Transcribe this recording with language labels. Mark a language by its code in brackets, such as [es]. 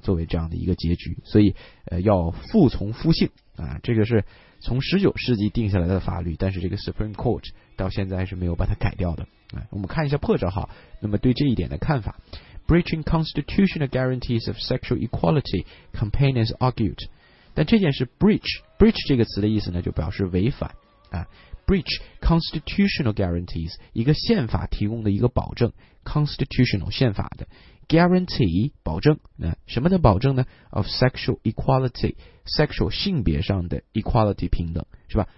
[zh] 作为这样的一个结局，所以要服从夫姓啊，这个是从十九世纪定下来的法律，但是这个 Supreme Court 到现在是没有把它改掉的。啊，我们看一下破折号，那么对这一点的看法。 [en] Breaching constitutional guarantees of sexual equality, campaigners argued. [zh] 但这件事 breach 这个词的意思呢，就表示违反啊。 [en] Breach constitutional guarantees [zh] 一个宪法提供的一个保证 ，constitutional 宪法的 guarantee 保证啊，什么的保证呢 ？ [en] Of sexual equality, [zh] sexual 性别上的 equality 平等，是吧？